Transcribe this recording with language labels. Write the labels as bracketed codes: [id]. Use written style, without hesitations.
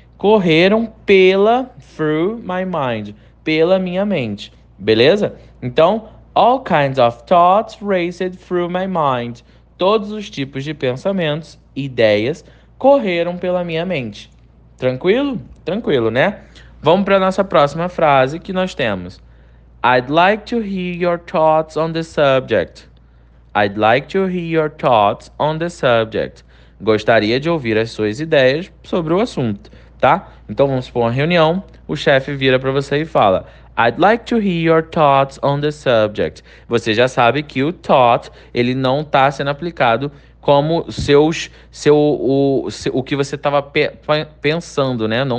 [pt] Correram pela, [en] through my mind, [pt] pela minha mente, beleza? Então, [en] all kinds of thoughts raced through my mind. [pt] Todos os tipos de pensamentos, ideias, correram pela minha mente. Tranquilo? Tranquilo, né? Vamos para a nossa próxima frase que nós temos. [en] I'd like to hear your thoughts on the subject. I'd like to hear your thoughts on the subject. [pt] Gostaria de ouvir as suas ideias sobre o assunto. Tá? Então vamos supor uma reunião, o chefe vira para você e fala: [en] I'd like to hear your thoughts on the subject. [pt] Você já sabe que o thought, ele não está sendo aplicado como o que você estava pensando, né?